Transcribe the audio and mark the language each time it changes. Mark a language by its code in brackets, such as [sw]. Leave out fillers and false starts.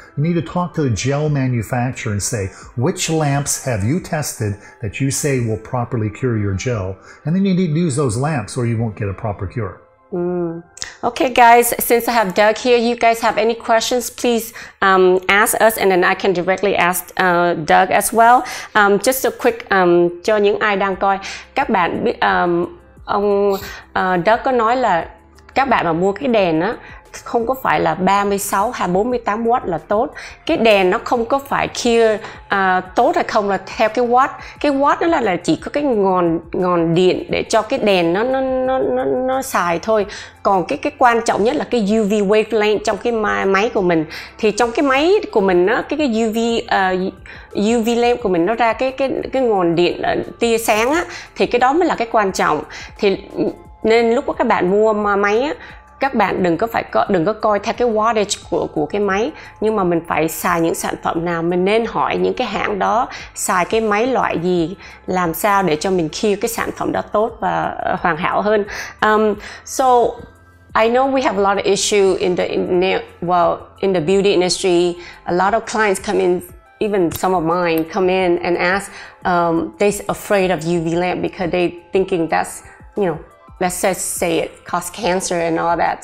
[en] You need to talk to the gel manufacturer and say, which lamps have you tested that you say will properly cure your gel? And then you need to use those lamps or you won't get a proper cure. Mm. Okay, guys, since I have Doug here, you guys have any questions, please ask us and then I can directly ask Doug as well. Just a quick, [vi] cho những ai đang coi, các bạn biết, ông Doug có nói là các bạn mà mua cái đèn á, không có phải là 36 hay 48 watt là tốt. Cái đèn nó không có phải cure tốt hay không là theo cái watt. Cái watt nó là chỉ có cái ngọn điện để cho cái đèn nó xài thôi. Còn cái quan trọng nhất là cái UV wavelength trong cái máy của mình. Thì trong cái máy của mình á, cái UV lamp của mình nó ra cái ngọn điện tia sáng á, thì cái đó mới là cái quan trọng. Thì nên lúc các bạn mua máy á, các bạn đừng có coi theo cái wattage của cái máy, nhưng mà mình phải xài những sản phẩm nào, mình nên hỏi những cái hãng đó xài cái máy loại gì, làm sao để cho mình khi cái sản phẩm đó tốt và hoàn hảo hơn. [en] So I know we have a lot of issue in the beauty industry. A lot of clients come in, even some of mine come in and ask, they're afraid of UV lamp because they thinking that's, you know, let's just say it caused cancer and all that.